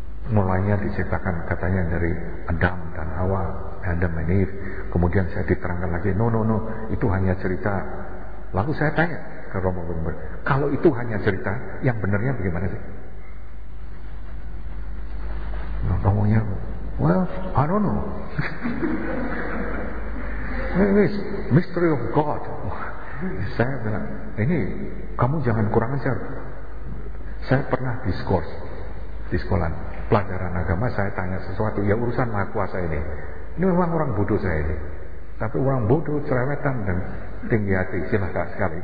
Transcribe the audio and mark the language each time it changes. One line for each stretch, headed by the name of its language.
Indonesian: Mulanya diciptakan katanya dari Adam dan Hawa, Adam and Eve. Kemudian saya diterangkan lagi, no, itu hanya cerita. Lalu saya tanya ke Romo Gumber, kalau itu hanya cerita, yang benarnya bagaimana sih?
English: Romonya, well, I don't know. Ini mystery of God.
Indonesian: Saya bilang, ini kamu jangan kurang ajar. Saya pernah diskors di sekolah pelajaran agama. Saya tanya sesuatu, ya urusan Maha Kuasa ini. Ini memang orang bodoh saya ini. Tapi orang bodoh, cerewetan dan tinggi hati, silakan sekali.